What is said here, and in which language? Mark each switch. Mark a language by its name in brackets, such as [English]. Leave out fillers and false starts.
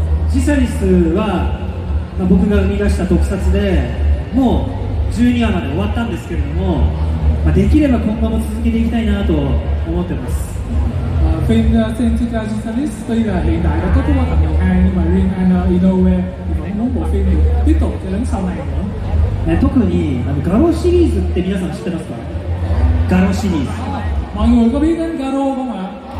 [Japanese] ジサリスは僕が生み出した特撮で、もう12話まで終わったんですけれども、まあ、できれば今後も続けていきたいなと思ってます。 [Vietnamese] フィンガーセンティカージサリス tuy là hiện tại đã kết thúc tập 12, nhưng mà riêng anh Inoue thì vẫn muốn bộ phim được tiếp tục cho đến sau này nữa. [Japanese] 特にガロシリーズって皆さん知ってますか。ガロシリーズ、 [Vietnamese] mọi người có biết đến ガロ không ạ?